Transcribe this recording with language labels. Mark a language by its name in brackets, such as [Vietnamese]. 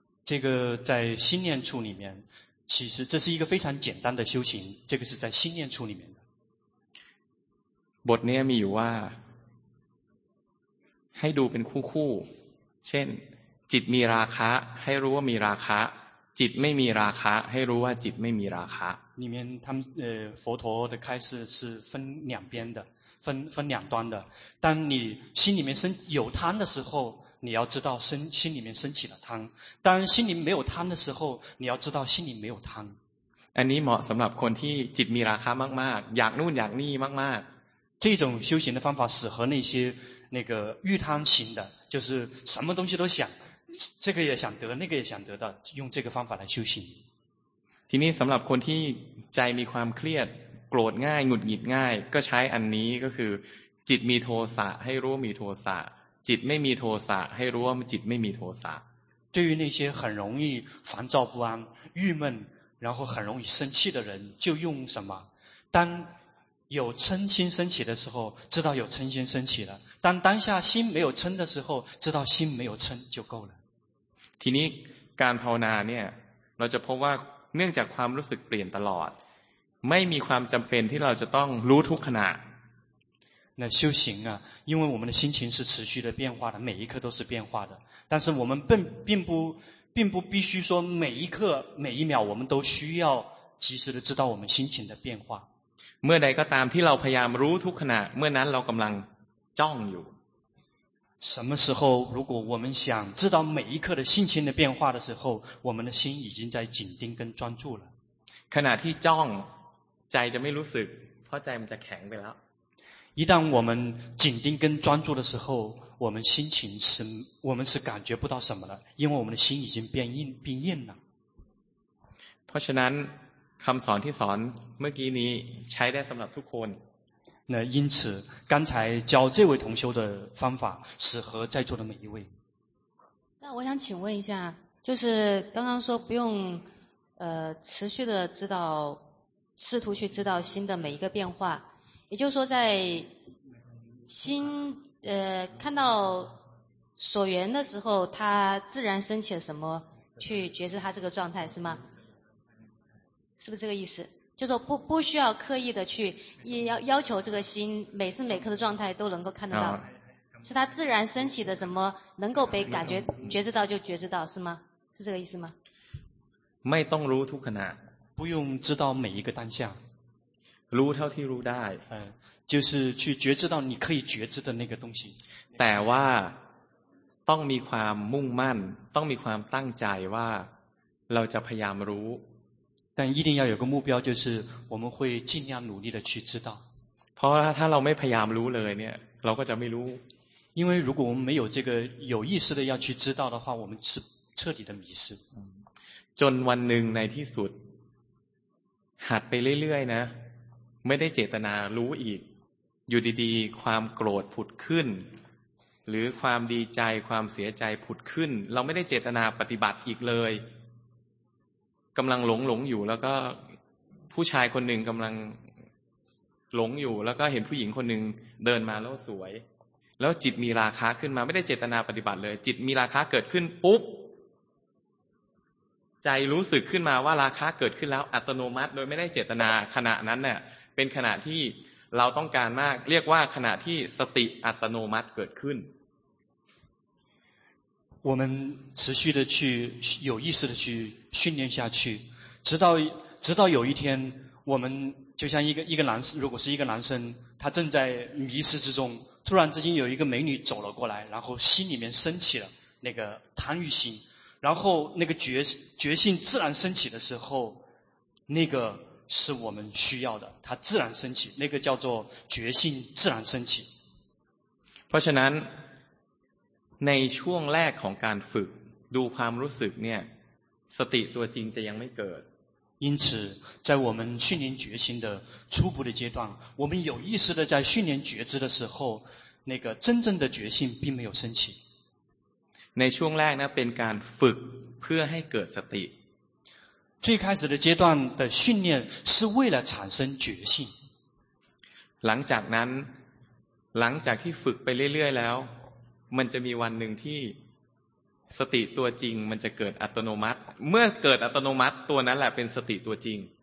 [Chinese] 这个在心念处里面其实这是一个非常简单的修行这个是在心念处里面的 [Thai] บทนี้มีอยู่ว่าให้ดูเป็นคู่ๆเช่นจิตมีราคะให้รู้ว่ามีราคะจิตไม่มีราคะให้รู้ว่าจิตไม่มีราคะ [Chinese] 里面他们佛陀的开示是分两边的分两端的当你心里面生有贪的时候你要知道心里面升起了贪当心里没有贪的时候你要知道心里没有贪 [Thai] อันนี้เหมาะสำหรับคนที่จิตมีราคะมากๆอยากนู่นอยากนี่มาก [Chinese] ๆ这种修行的方法适合那些那个欲贪型的就是什么东西都想这个也想得那个也想得到用这个方法来修行 [Thai] ทีนี้สำหรับคนที่ใจมีความเครียดโกรธง่ายหงุดหงิดง่ายก็ใช้อันนี้ก็คือจิตมีโทสะให้รู้มีโทสะจิตไม่มีโทสะให้รู้ว่าจิตไม่มีโทสะ [Chinese] 对于那些很容易烦躁不安郁闷然后很容易生气的人就用什么，当有嗔心升起的时候知道有嗔心升起了，当当下心没有嗔的时候知道心没有嗔就够了。 [Thai] ทีนี้การภาวนาเนี่ยเราจะพบว่าเนื่องจากความรู้สึกเปลี่ยนตลอดไม่มีความจําเป็นที่เราจะต้องรู้ทุกขณะ [Chinese] 那修行啊，因为我们的心情是持续的变化的，每一刻都是变化的，但是我们并不必须说每一刻每一秒我们都需要及时的知道我们心情的变化。 [Thai] เมื่อใดก็ตามที่เราพยายามรู้ทุกขณะเมื่อนั้นเรากำลังจ้องอยู่ [Chinese] 什么时候如果我们想知道每一刻的心情的变化的时候我们的心已经在紧盯跟专注了。 [Thai] ขณะที่จ้องใจจะไม่รู้สึกเพราะใจมันจะแข็งไปแล้ว [Chinese] 一旦我们紧盯跟专注的时候我们心情是我们是感觉不到什么了，因为我们的心已经变硬了。 [Thai] เพราะฉะนั้นคำสอนที่สอนเมื่อกี้นี้ใช้ได้สำหรับทุกคน [Chinese] 那因此刚才教这位同修的方法适合在座的每一位。那我想请问一下，就是刚刚说不用持续的知道，试图去知道心的每一个变化，也就是说在心看到所缘的时候它自然升起了什么去觉知它这个状态，是吗？是不是这个意思？就是说不需要刻意的去要求这个心每时每刻的状态都能够看得到，是它自然升起的什么能够被感觉觉知到就觉知到，是吗？是这个意思吗？ [Thai] ไม่ต้องรู้ทุกขณะ， [Chinese] 不用知道每一个当下， [Thai] รู้เท่าที่รู้ได้ [Chinese] ，就是去觉知到你可以觉知的那个东西。 [Thai] แต่ว่าต้องมีความมุ่งมั่นต้องมีความตั้งใจว่าเราจะพยายามรู้ [Chinese] 但一定要有个目标，就是我们会尽量努力的去知道。 [Thai] เพราะถ้าเราไม่พยายามรู้เลยเนี่ยเราก็จะไม่รู้。 [Chinese] 因为如果我们没有这个有意识的要去知道的话，我们是彻底的迷失。 [Thai] จนวันหนึ่งในที่สุดหัดไปเรื่อยๆนะไม่ได้เจตนารู้อีกอยู่ดีๆความโกรธผุดขึ้นหรือความดีใจความเสียใจผุดขึ้นเราไม่ได้เจตนาปฏิบัติอีกเลยกำลังหลงอยู่แล้วก็ผู้ชายคนหนึ่งกำลังหลงอยู่แล้วก็เห็นผู้หญิงคนหนึ่งเดินมาแล้วสวยแล้วจิตมีราคะขึ้นมาไม่ได้เจตนาปฏิบัติเลยจิตมีราคะเกิดขึ้นปุ๊บ ใจรู้สึกขึ้นมาว่าราคะเกิดขึ้นแล้วอัตโนมัติโดยไม่ได้เจตนาขณะนั้นเนี่ยเป็นขณะที่เราต้องการมากเรียกว่าขณะที่สติอัตโนมัติเกิดขึ้น [Chinese] 我们持续的去有意识的去训练下去，直到有一天，我们就像一个男生，如果是一个男生，他正在迷失之中，突然之间有一个美女走了过来，然后心里面升起了那个贪欲心，然后那个觉性自然升起的时候，那个是我们需要的，它自然升起，那个叫做觉性自然升起。 [Thai] เพราะฉะนั้นในช่วงแรกของการฝึกดูความรู้สึกเนี่ยสติตัวจริงจะยังไม่เกิด [Chinese] 因此在我们训练觉心的初步的阶段我们有意识的在训练觉知的时候那个真正的觉性并没有升起 [Thai] ในช่วงแรกนะเป็นการฝึกเพื่อให้เกิดสติ [Chinese] 最开始的阶段的训练是为了产生觉性 [Thai] หลังจากนั้นหลังจากที่ฝึกไปเรื่อยๆแล้วมันจะมีวันหนึ่งที่สติตัวจริงมันจะเกิดอัตโนมัติเมื่อเกิดอัตโนมัติตัวนั้นแหละเป็นสติตัวจริง